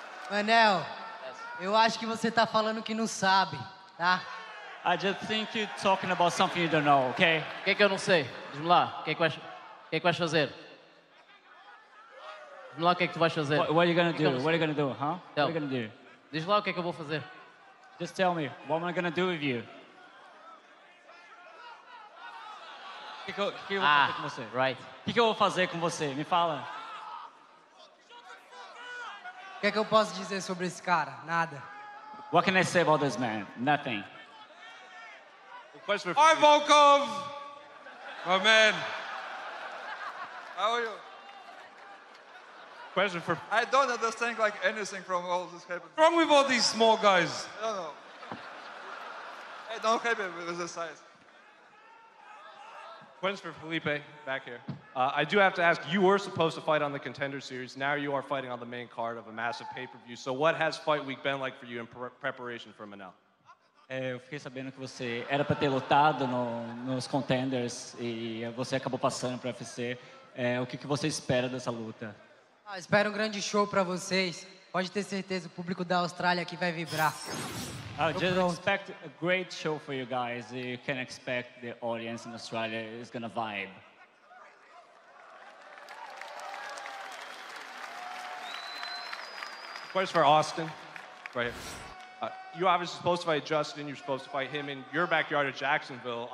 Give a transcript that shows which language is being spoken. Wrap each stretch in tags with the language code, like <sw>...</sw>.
<pt>Manel, eu acho que você tá falando que não sabe, tá?</pt> <en>I just think you're talking about something you don't know, okay?</en> <pt>O que eu não sei? Diz-me lá, o que é que vais fazer? Diz-me lá o que é que tu vais fazer.</pt> <en>What are you gonna do? What are you gonna do, huh? Tell. What are you gonna do?</en> <pt>Diz lá o que é que eu vou fazer.</pt> <en>Just tell me, what am I gonna do with you?</en> <pt>O que eu vou fazer com você?</pt> <en>Right.</en> <pt>O que eu vou fazer com você? Me fala. O que é que eu posso dizer sobre esse cara? Nada.</pt> <en>What can I say about this man? Nothing. Hi, Volkov! My man. How are you? Question for... I don't understand, like, anything from all this happening. What's wrong with all these small guys? I don't know. Hey, don't help him with the size. Question for Felipe, back here. I do have to ask, you were supposed to fight on the Contender Series. Now you are fighting on the main card of a massive pay-per-view. So what has fight week been like for you in preparation for Manel?</en> <pt>Eu fiquei sabendo que você era para ter lutado nos Contenders e você acabou passando para o UFC. O que você espera dessa luta? Ah, espero um grande show para vocês. Pode ter certeza, o público da Austrália aqui vai vibrar.</pt> <en>Just expect a great show for you guys. You can expect the audience in Australia is going to vibe. Question for Austin. Right here. You obviously supposed to fight Justin, you're supposed to fight him in your backyard at Jacksonville.</en>